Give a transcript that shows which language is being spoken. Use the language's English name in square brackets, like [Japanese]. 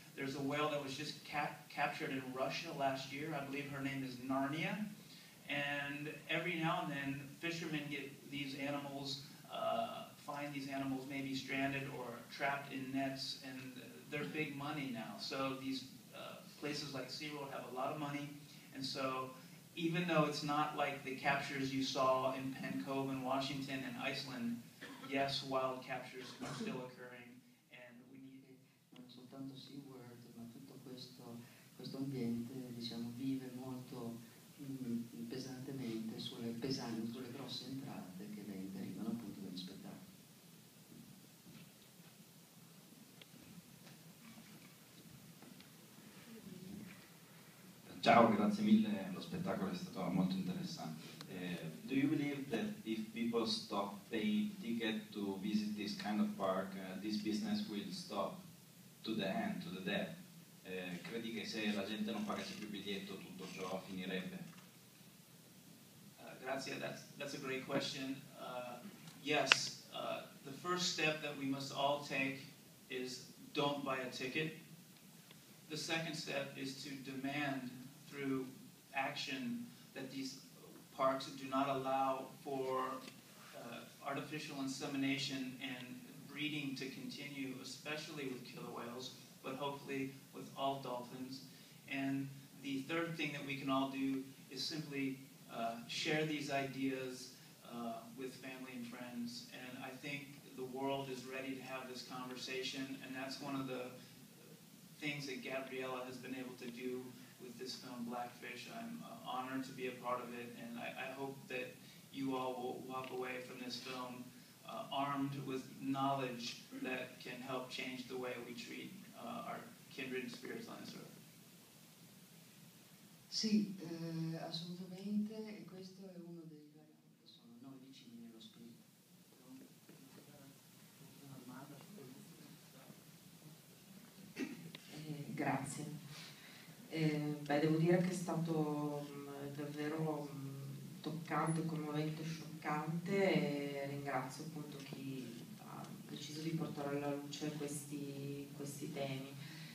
[English] There's a whale that was just captured in Russia last year, I believe her name is Narnia, and every now and then fishermen get these animals, find these animals maybe stranded or trapped in nets, and they're big money now. So these places like SeaWorld have a lot of money, and so even though it's not like the captures you saw in Penn Cove in Washington and Iceland, yes, wild captures are still occurring, and we need [Italian] non soltanto SeaWorld, ma tutto questo questo ambiente, diciamo, vive molto pesantemente sulle pesanti, sulle grosse entrate che derivano appunto dagli spettacoli. Ciao, grazie mille, lo spettacolo è stato molto interessante. [English] Do you believe that if people stop paying ticket to visit this kind of park, this business will stop to the end, to the death? [Italian] Credi che se la gente non pagasse più biglietto tutto ciò finirebbe? [English] Grazie, that's a great question. Yes, the first step that we must all take is don't buy a ticket. The second step is to demand through action that these parks do not allow for artificial insemination and breeding to continue, especially with killer whales, but hopefully with all dolphins. And the third thing that we can all do is simply share these ideas with family and friends. And I think the world is ready to have this conversation, and that's one of the things that Gabriela has been able to do with this film, Blackfish. I'm honored to be a part of it, and I hope that you all will walk away from this film armed with knowledge that can help change the way we treat our kindred spirits on this earth. [Italian] Sì, assolutamente, e questo è uno dei vari che sono noi vicini nello spirito. Grazie. Beh, devo dire che è stato davvero toccante, commovente, scioccante, e ringrazio appunto chi ha deciso di portare alla luce questi temi.